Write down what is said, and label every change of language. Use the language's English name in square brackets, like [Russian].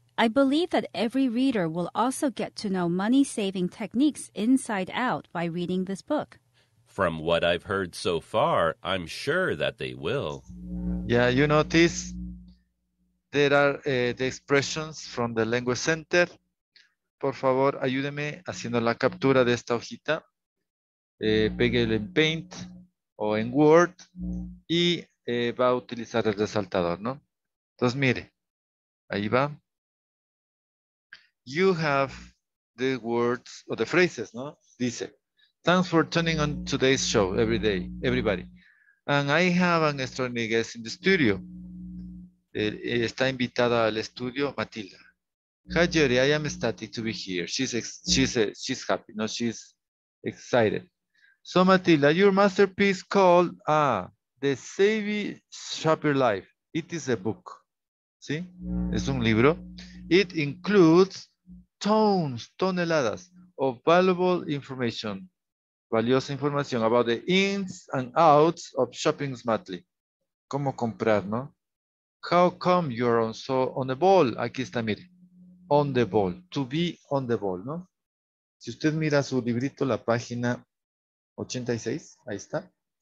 [English] I believe that every reader will also get to know money-saving techniques inside out by reading this book. From what I've heard so far, I'm sure that they will. Yeah, you notice there are the expressions from the language center. [Spanish] Por favor, ayúdeme haciendo la captura de esta hojita. Pégale en Paint o en Word y va a utilizar el resaltador, ¿no? Entonces, mire, ahí va. [English] You have the words or the phrases, ¿no? [Spanish] Dice, [English] thanks for tuning on today's show, every day, everybody. And I have an extraordinary guest in the studio. [Spanish] Está invitada al estudio, [English] Matilda. Hi, Jerry, I am ecstatic to be here. She's happy, no, she's excited. So, Matilda, your masterpiece called The Savvy Shopper Life. It is a book. [Spanish] ¿Sí? Es un libro. [English] It includes [Spanish] toneladas [English] of valuable information, [Spanish] valiosa información [English] about the ins and outs of shopping smartly. [Spanish] ¿Cómo comprar, no? [English] How come you are so on the ball? [Spanish] Aquí está, mire. [English] On the ball. To be on the ball, ¿no? [Spanish] Si usted mira su librito, la página 86, ahí está.